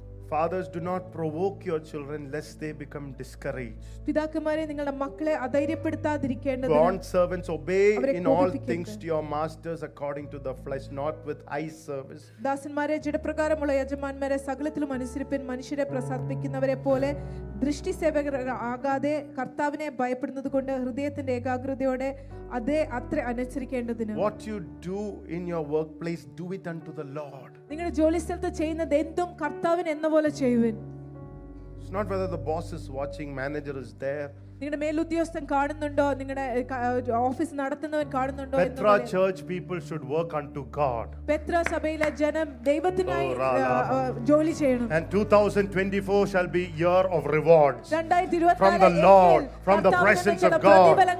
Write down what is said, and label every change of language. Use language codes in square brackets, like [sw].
[en] Fathers, do not provoke your children lest they become discouraged. [ml] പിതാക്കന്മാരെ, നിങ്ങളുടെ മക്കളെ അധൈര്യപ്പെടുത്താതിരിക്കേണ്ടത്. [en] Bond servants, obey in all things to your masters according to the flesh, not with eye service. [ml] ദാസന്മാരെ, ജഡപ്രകാരമുള്ള യജമാന്മാരെ സകലത്തിലും അനുസരിപ്പിൻ, മനുഷ്യരെ പ്രസാദിപ്പിക്കുന്നവരെ പോലെ ദൃഷ്ടി സേവകർ ആകാതെ കർത്താവിനെ ഭയപ്പെടുന്നത് കൊണ്ട് ഹൃദയത്തിന്റെ ഏകാഗ്രതയോടെ അതേ അത്ര അനുസരിക്കേണ്ടതിന്. [en] What you do in your workplace, do it unto the Lord. [ml] നിങ്ങളുടെ ജോലിസ്ഥലത്ത് ചെയ്യുന്നത് എന്തും കർത്താവിന് എന്ന പോലെ ചെയ്യുവിൻ. [en] It's not whether the boss is watching, manager is there. [ml] നിങ്ങളുടെ മേലുദ്യോഗസ്ഥൻ കാണുന്നുണ്ടോ, നിങ്ങളുടെ ഓഫീസ് നടത്തുന്നവൻ കാണുന്നുണ്ടോ? [en] Petra church people should work unto God. [ml] പെത്ര സഭയിലെ ജനം ദൈവത്തിനായി ജോലി ചെയ്യണം. [en] And 2024 shall be year of rewards. 2024 from the Lord, from the presence of God.